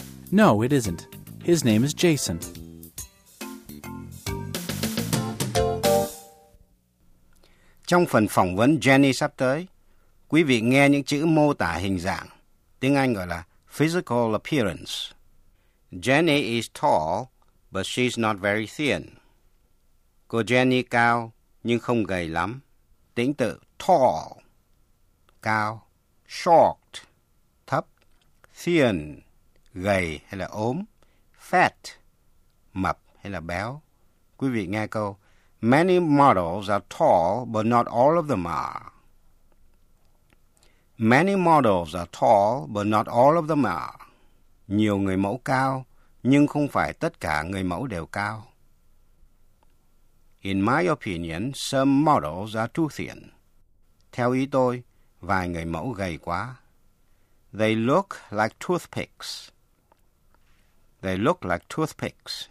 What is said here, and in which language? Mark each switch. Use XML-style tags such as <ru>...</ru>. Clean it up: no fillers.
<en>No, it isn't. His name is Jason.</en> <vi>Trong phần phỏng vấn Jenny sắp tới, quý vị nghe những chữ mô tả hình dạng, tiếng Anh gọi là physical appearance.</vi> <en>Jenny is tall, but she's not very thin.</en> <vi>Cô Jenny cao, nhưng không gầy lắm. Tính tự tall, cao, short, thấp, thin, gầy hay là ốm, fat, mập hay là béo. Quý vị nghe câu,</vi> <en>many models are tall, but not all of them are. Many models are tall, but not all of them are.</en> <vi>Nhiều người mẫu cao, nhưng không phải tất cả người mẫu đều cao.</vi> <en>In my opinion, some models are too thin.</en> <vi>Theo ý tôi, vài người mẫu gầy quá.</vi> <en>They look like toothpicks. They look like toothpicks.</en>